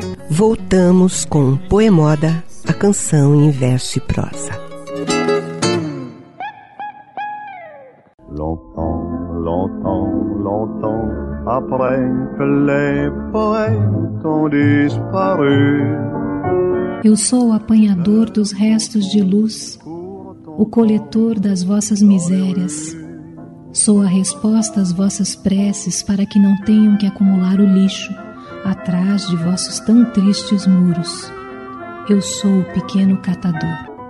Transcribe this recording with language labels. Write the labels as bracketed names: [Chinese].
[Portuguese] Voltamos com Poemoda, a canção em verso e prosa. [French] Longtemps, longtemps, longtemps après que les poètes ont disparu. [Portuguese] Eu sou o apanhador dos restos de luz, o coletor das vossas misérias. Sou a resposta às vossas preces para que não tenham que acumular o lixo atrás de vossos tão tristes muros. Eu sou o pequeno catador.